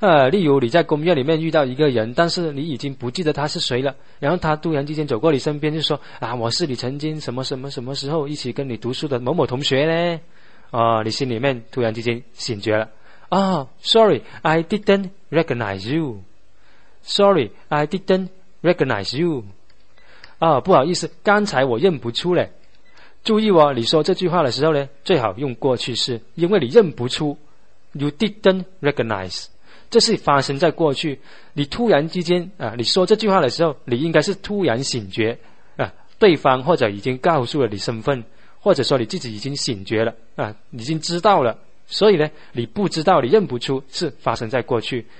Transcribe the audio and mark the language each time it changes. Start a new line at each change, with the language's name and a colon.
Chinese: 例如你在公园里面遇到一个人，但是你已经不记得他是谁了，然后他突然之间走过你身边就说，啊，我是你曾经什么什么什么时候一起跟你读书的某某同学呢。你心里面突然之间醒觉了。
English: Sorry, I didn't recognize you. Sorry, I didn't recognize you.
Chinese: 不好意思，刚才我认不出了。注意哦，你说这句话的时候呢，最好用过去式，因为你认不出。
English: You didn't recognize.
Chinese: 这是发生在过去，你突然之间你说这句话的时候，你应该是突然醒觉对方或者已经告诉了你身份，或者说你自己已经醒觉了已经知道了，所以呢你不知道，你认不出，是发生在过去。